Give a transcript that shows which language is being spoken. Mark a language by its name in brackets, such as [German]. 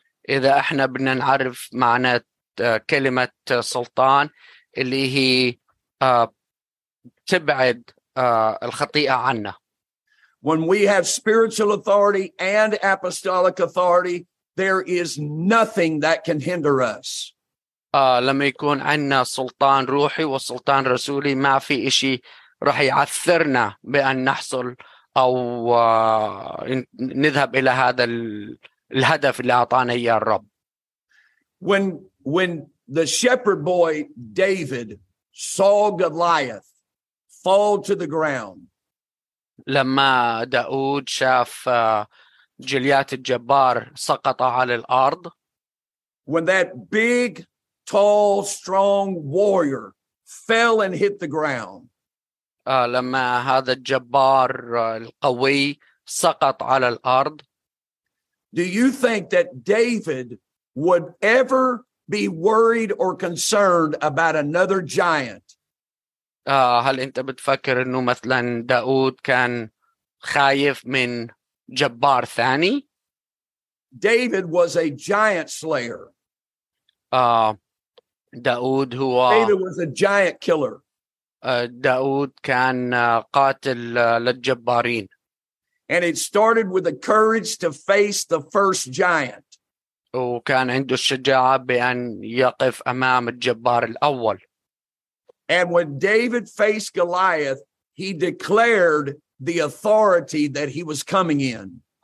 [Arabic] إذا إحنا بدنا نعرف معنى كلمة سلطان اللي هي تبعد الخطيئة عنا. [English] When we have spiritual authority and apostolic authority, there is nothing that can hinder us. [Arabic] لما يكون عنا سلطان روحي وسلطان رسولي ما في إشي رح يعثرنا بأن نحصل أو نذهب إلى هذا الهدف اللي أعطانا إياه الرب. [English] When the shepherd boy David saw Goliath fall to the ground. [Arabic] لما داود شاف جليات الجبار سقط على الأرض. [English] When that big tall, strong warrior fell and hit the ground. [Arabic] لما هذا الجبار القوي سقط على الأرض. [English] Do you think that David would ever be worried or concerned about another giant? [Arabic] هل أنت بتفكر إنه مثلا داود كان خايف من جبار ثاني؟ [English] David was a giant slayer. [Arabic] داود هو [English] David was a giant killer. [Arabic] داود كان قاتل للجبارين. [English] And it started with the courage to face the first giant. [Arabic] وكان عنده الشجاعة بأن يقف أمام الجبار الأول. [English] And when David faced Goliath, he declared the authority that he was coming in.